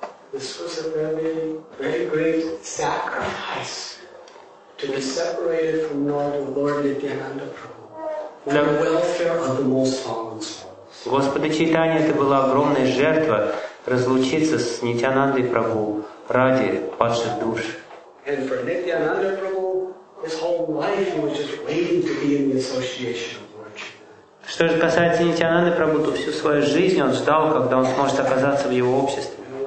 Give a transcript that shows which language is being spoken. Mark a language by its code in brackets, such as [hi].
[en] This was a very great sacrifice to be separated from Lord Nityananda Prabhu for the welfare of the most fallen souls. [ru] Господа Чайтанья, это была огромная жертва разлучиться с Нитьянандой Прабху ради падших душ. [en] And for Nityananda Prabhu, his whole life was just waiting to be in the association. [ru] Что же касается Нитьянанды Прабху, то всю свою жизнь он ждал, когда он сможет оказаться в его обществе.